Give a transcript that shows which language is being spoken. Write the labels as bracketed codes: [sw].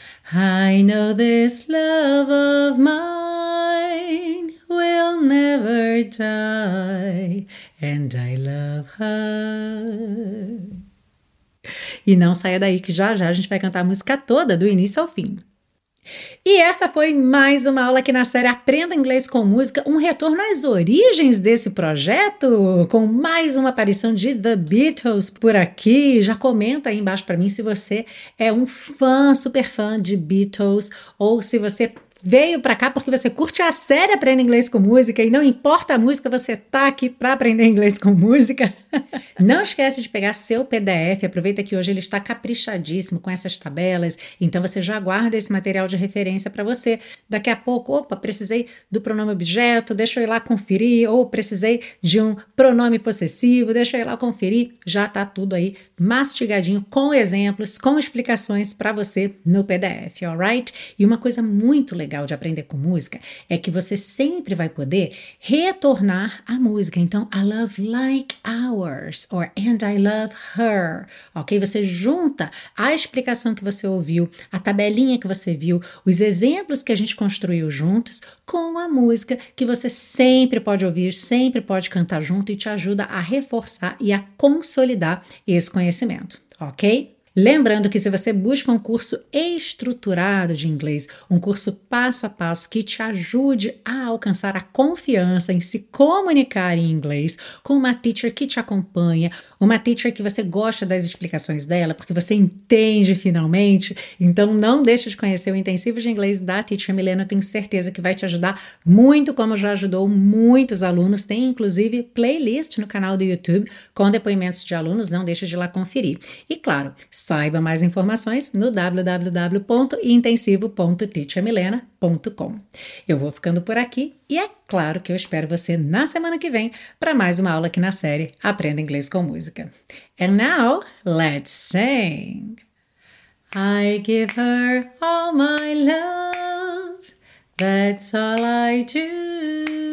[en] I know this love of mine will never die, and I love her. [pt] E não saia daí que já já a gente vai cantar a música toda, do início ao fim. E essa foi mais uma aula aqui na série Aprenda Inglês com Música, um retorno às origens desse projeto, com mais uma aparição de The Beatles por aqui. Já comenta aí embaixo para mim se você é um fã, super fã de Beatles, ou se você veio para cá porque você curte a série Aprenda Inglês com Música, e não importa a música, você tá aqui para aprender inglês com música. Não esquece de pegar seu PDF, aproveita que hoje ele está caprichadíssimo com essas tabelas, então você já guarda esse material de referência para você. Daqui a pouco, opa, precisei do pronome objeto, deixa eu ir lá conferir, ou precisei de um pronome possessivo, deixa eu ir lá conferir. Já tá tudo aí mastigadinho, com exemplos, com explicações para você no PDF, alright? E uma coisa muito legal de aprender com música é que você sempre vai poder retornar à música. Então, [en] I love like ours, or and I love her, [pt] ok? Você junta a explicação que você ouviu, a tabelinha que você viu, os exemplos que a gente construiu juntos com a música que você sempre pode ouvir, sempre pode cantar junto e te ajuda a reforçar e a consolidar esse conhecimento, ok? Lembrando que se você busca um curso estruturado de inglês, um curso passo a passo que te ajude a alcançar a confiança em se comunicar em inglês com uma teacher que te acompanha, uma teacher que você gosta das explicações dela, porque você entende finalmente, então não deixe de conhecer o intensivo de inglês da Teacher Milena. Eu tenho certeza que vai te ajudar muito, como já ajudou muitos alunos. Tem inclusive playlist no canal do YouTube com depoimentos de alunos, não deixe de ir lá conferir. E claro, saiba mais informações no www.intensivo.teachermilena.com. Eu vou ficando por aqui e é claro que eu espero você na semana que vem para mais uma aula aqui na série Aprenda Inglês com Música. [en] And now, let's sing! I give her all my love, that's all I do.